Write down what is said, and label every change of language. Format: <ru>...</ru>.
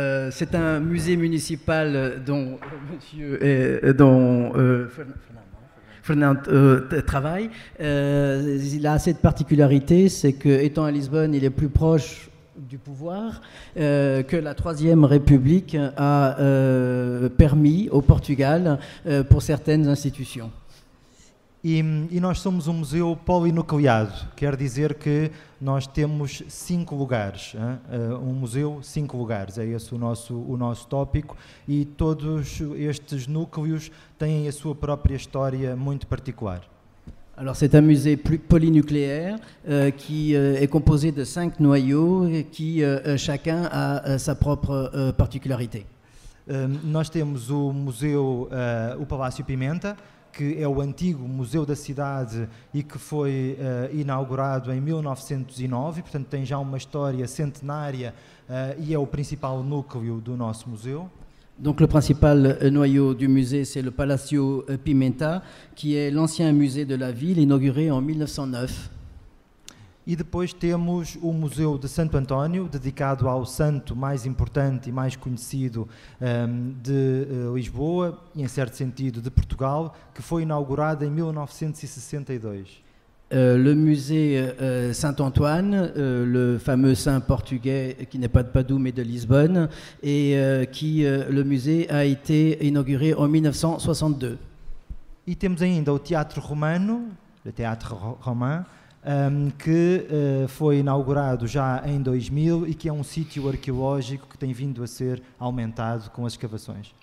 <fr>C'est un musée municipal dont monsieur est, dont Fernand travaille. Il a cette particularité, c'est que étant à Lisbonne, il est plus proche du pouvoir que la Troisième République a permis au Portugal pour certaines institutions.</fr> <pt>E nós somos um museu polinucleado, quer dizer que nós temos cinco lugares, um museu, cinco lugares, é esse o nosso tópico, e todos estes núcleos têm a sua própria história muito particular.</pt> <fr>Alors c'est un musée polynucléaire qui est composé de cinq noyaux et qui chacun a sa propre particularité.</fr> <pt>Nós temos o museu, o Palácio Pimenta, que é o antigo Museu da Cidade e que foi inaugurado em 1909, portanto tem já uma história centenária e é o principal núcleo do nosso museu.</pt> <fr>Donc le principal noyau du musée c'est le Palácio Pimenta,</fr> <pt>que é</pt> <fr>l'ancien musée de la ville inauguré en 1909.</fr> <pt>E depois temos o Museu de Santo António, dedicado ao santo mais importante e mais conhecido de Lisboa, e em certo sentido de Portugal, que foi inaugurado em 1962.</pt> <fr>Le musée Saint-Antoine, le fameux saint portugais qui n'est pas de Padoue mais de Lisbonne, et qui le musée a été inauguré en 1962.</fr> <pt>E temos ainda o Teatro Romano,</pt> <fr>le Théâtre Romain,</fr> <pt>que foi inaugurado já em 2000 e que é um sítio arqueológico que tem vindo a ser aumentado com as escavações.</pt>